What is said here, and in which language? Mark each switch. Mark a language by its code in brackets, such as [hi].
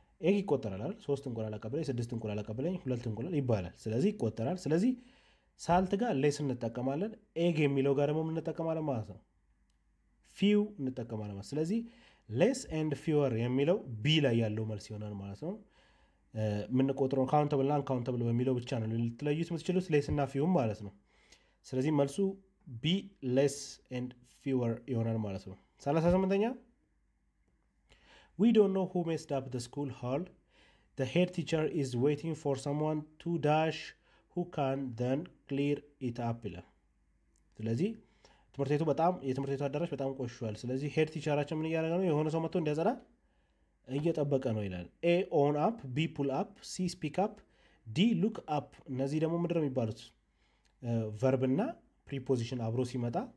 [am] ኤግ ይቆጠራል አይደል 3 እንቁላል አቀበለኝ 6 እንቁላል አቀበለኝ 2 እንቁላል ይባላል ስለዚህ ይቆጠራል ስለዚህ ሳልት ጋር ሌስ እንጠቀማለን ኤግ የሚለው ጋር ደግሞ እንጠቀማለን ማለት ነው ፊው እንጠቀማለን ማለት ስለዚህ ሌስ ኤንድ ፊውር የሚለው ቢ ላይ ያለው መልስ ይሆናል ማለት ነው ምን ቆጥሮን ካውንተብል እና አንካውንተብል በሚለው ብቻ ነው ልትለዩት የምትችሉት ሌስ እና ፊው ማለት ነው ስለዚህ መልሱ ቢ ሌስ ኤንድ ፊውር ይሆናል ማለት ነው 38ኛ [en] We don't know who messed up the school hall. The head teacher is waiting for someone to dash who can then clear it up. [am] ስለዚህ ትምህርት ቤቱ በጣም የትምህርት ቤቱ አዳራሽ በጣም ቆሽሿል ስለዚህ head teacheራችን ምን ያደርጋ ነው የሆነ ሰው መጥቶ እንዲያጸዳ እየጠበቀ ነው ይላል [en] A own up B pull up C speak up D look up [am] እነዚህ ደግሞ ምንድነው የሚባሉት verb እና preposition አብሮ ሲመጣ